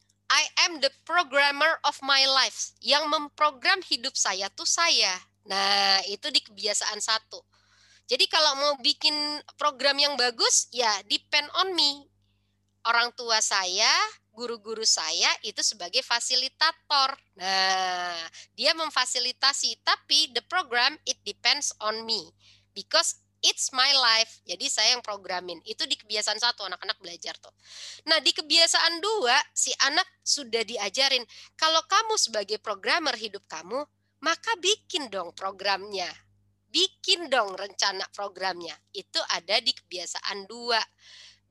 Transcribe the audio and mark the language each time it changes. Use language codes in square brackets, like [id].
[en] I am the programmer of my life. [id] Yang memprogram hidup saya tuh saya. Nah, itu di kebiasaan 1. Jadi kalau mau bikin program yang bagus, ya [en] depend on me. [id] Orang tua saya, guru-guru saya itu sebagai fasilitator. Nah, dia memfasilitasi, tapi [en] the program it depends on me because it's my life. [id] Jadi saya yang programin. Itu di kebiasaan 1 anak-anak belajar tuh. Nah, di kebiasaan 2 si anak sudah diajarin, kalau kamu sebagai programmer hidup kamu, maka bikin dong programnya. Bikin dong rencana programnya. Itu ada di kebiasaan 2.